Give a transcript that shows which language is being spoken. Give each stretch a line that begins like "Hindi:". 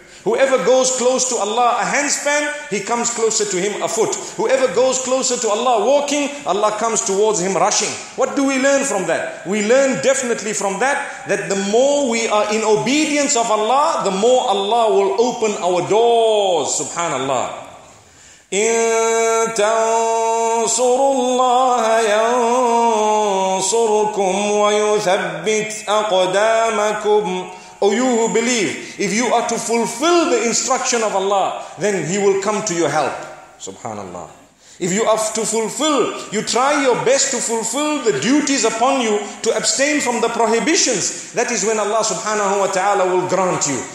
English: Whoever goes close to Allah a handspan, He comes closer to Him a foot. Whoever goes closer to Allah walking, Allah comes towards Him rushing. What do we learn from that? We learn definitely from that the more we are in obedience of Allah, the more Allah will open our doors, subhanallah.
Arabic: إن تنصروا الله ينصركم ويثبت أقدامكم.
English: O you who believe, if you are to fulfill the instruction of Allah, then He will come to your help. Subhanallah. If you have to fulfill, you try your best to fulfill the duties upon you to abstain from the prohibitions, that is when Allah subhanahu wa ta'ala will grant you.